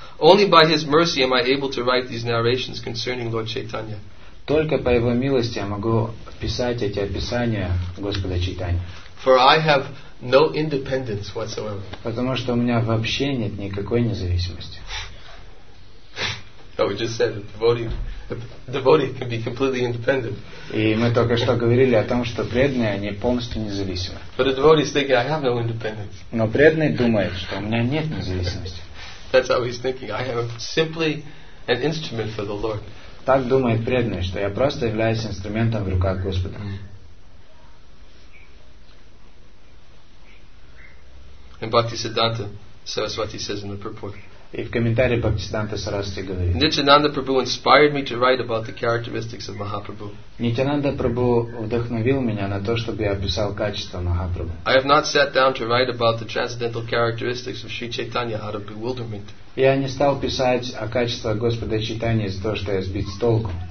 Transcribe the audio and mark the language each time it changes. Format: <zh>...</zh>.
<en>Only by his mercy am I able to write these narrations concerning Lord Chaitanya.</en> <ru>Только по его милости я могу писать эти описания Господа Чайтаньи.</ru> <en>For I have no independence whatsoever.</en> <ru>Потому что у меня вообще нет никакой независимости.</ru> <en>Oh, we just said that the devotee can be completely independent.</en> <ru>И мы только что говорили о том, что преданные они полностью независимы.</ru> <en>But a devotee is thinking, I have no independence.</en> <ru>Но преданный думает, что у меня нет независимости.</ru> <en>That's how he's thinking. I am simply an instrument for the Lord.</en> <ru>Так думает преданный, что я просто являюсь инструментом в руках Господа.</ru> <en>And Bhaktisiddhanta Saraswati says in the purport.</en> <ru>И в комментарии Бхактисиддханта Сарасвати говорит.</ru> <en>Nityananda Prabhu inspired me to write about the characteristics of Mahaprabhu.</en> <ru>Nityananda Prabhu вдохновил меня на то, чтобы я описал качества Махапрабху.</ru> <en>I have not sat down to write about the transcendental characteristics of Sri Chaitanya out of bewilderment.</en> <ru>Я не стал писать о качествах Господа Чайтаньи из-за того, что я сбит с толку.</ru>